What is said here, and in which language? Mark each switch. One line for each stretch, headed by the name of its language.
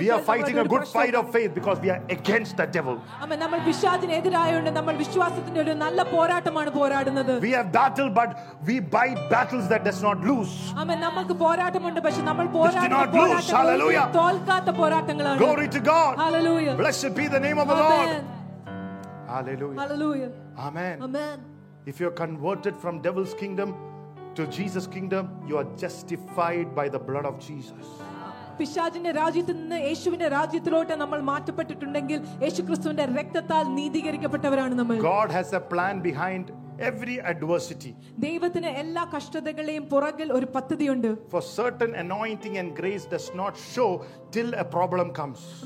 English: We are fighting a good fight of faith because we are against the devil.
Malayalam: നമ്മൾ പിശാചിനെതിരായതുകൊണ്ട് നമ്മൾ വിശ്വാസത്തിന്റെ ഒരു നല്ല പോരാട്ടമാണ് പോരാടുന്നത്.
English: We have battle, but we fight battles that does not lose.
Malayalam: നമുക്ക് പോരാട്ടമുണ്ട്, പക്ഷെ നമ്മൾ തോൽക്കാത്ത പോരാട്ടങ്ങളാണ്.
English: Glory to God. Hallelujah. Blessed be the name of the Lord. Hallelujah. Hallelujah. Amen. Amen. If you're converted from devil's kingdom to Jesus' kingdom, you are justified by the blood of Jesus.
Malayalam: പിശാചിന്റെ രാജ്യത്തിൽ നിന്ന് യേശുവിന്റെ രാജ്യത്തിലോട്ട് നമ്മൾ മാറ്റപ്പെട്ടിട്ടുണ്ടെങ്കിൽ യേശുക്രിസ്തുവിന്റെ രക്തത്താൽ നീതീകരിക്കപ്പെട്ടവരാണ് നമ്മൾ.
English: God has a plan behind every adversity.
Malayalam: ദൈവത്തിന് എല്ലാ കഷ്ടതകളെയും പുറകിൽ ഒരു പദ്ധതിയുണ്ട്.
English: For certain anointing and grace does not show till a problem comes.